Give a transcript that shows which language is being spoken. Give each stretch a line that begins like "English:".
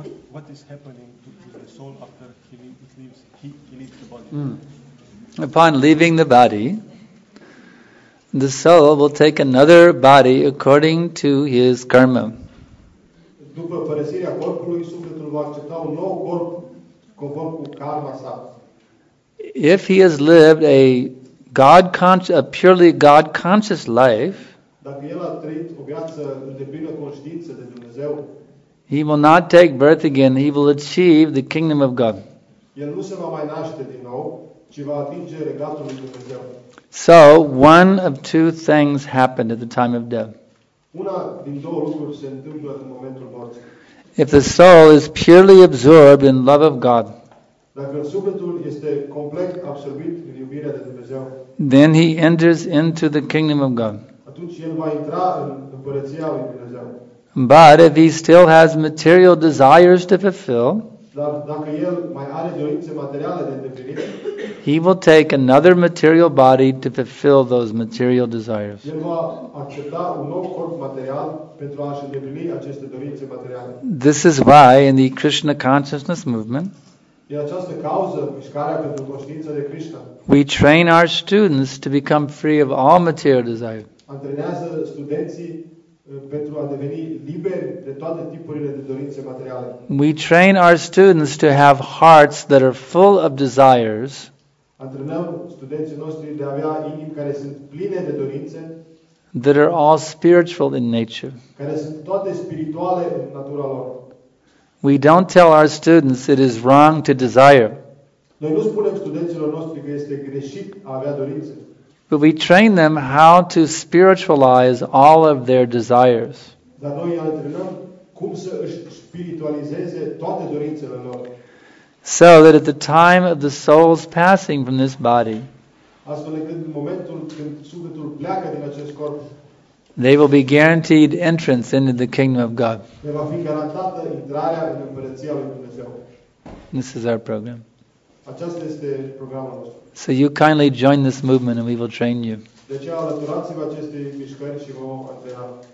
English: What is happening to the soul after he leaves the body? Upon leaving the body, the soul will take another body according to his karma.
Romanian: După părăsirea corpului, sufletul va accepta un nou corp conform cu karma sa.
English: If he has lived a purely God-conscious life,
Romanian: dacă el a trăit o viață în deplină conștiință de Dumnezeu,
English: he will not take birth again. He will achieve the kingdom of God.
Romanian: El nu se va mai naște din nou, ci va atinge regatul lui Dumnezeu.
English: So, one of two things happened at the time of death.
Romanian: Una din două lucruri se întâmplă în momentul morții.
English: If the soul is purely absorbed in love of God,
Romanian: dacă sufletul este complet absorbit în iubirea de Dumnezeu,
English: then he enters into the kingdom of God.
Romanian: Atunci el va intra în împărăția lui Dumnezeu.
English: But if he still has material desires to fulfill,
Romanian: dar dacă el mai are dorințe materiale de îndeplinit,
English: he will take another material body to fulfill those material desires.
Romanian: El va accepta un nou corp material pentru a-și îndeplini aceste dorințe materiale.
English: This is why in the Krishna consciousness movement,
Romanian: de această cauză, mișcarea pentru conștiința de Krishna,
English: we train our students to become free of all material desires.
Romanian: Antrenează studenții pentru a deveni liber de toate tipurile de dorințe materiale.
English: We train our students to have hearts that are full of desires.
Romanian: Antrenăm studenții noștri de a avea inimi care sunt pline de dorințe,
English: that are all spiritual in nature.
Romanian: Care sunt toate spirituale în natura lor.
English: We don't tell our students it is wrong to desire.
Romanian: Noi nu spunem studenților noștri că este greșit a avea dorințe.
English: But we train them how to spiritualize all of their desires.
Romanian: Dar noi antrenăm cum să își spiritualizeze toate dorințele lor.
English: So that at the time of the soul's passing from this body,
Romanian: astfel încât în momentul când sufletul pleacă din acest corp,
English: they will be guaranteed entrance into the kingdom of God.
Romanian: Le va fi garantată intrarea în împărăția lui Dumnezeu.
English: This is our program.
Romanian: Aceasta este programul nostru.
English: So you kindly join this movement and we will train you.
Romanian: Deci, alăturați-vă acestei mișcări și vă antrenăm.